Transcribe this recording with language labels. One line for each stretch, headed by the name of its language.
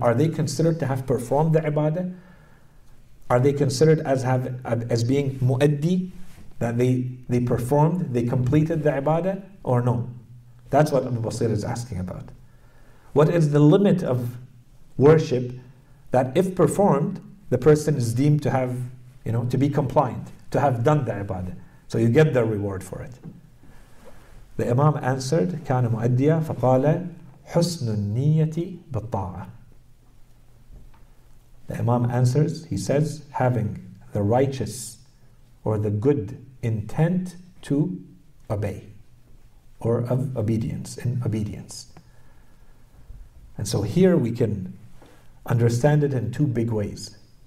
English: Are they considered to have performed the ibadah? Are they considered as being mu'addi, that they performed, they completed the ibadah, or no? That's what Abu Basir is asking about. What is the limit of worship that if performed, the person is deemed to have, you know, to be compliant, to have done the ibadah, so you get the reward for it? The Imam answered,
Arabic: كان مؤديا فقال حسن النية بالطاعة.
English: The Imam answers, he says, having the righteous or the good intent to obey, or of obedience, in obedience. And so here we can understand it in two big ways.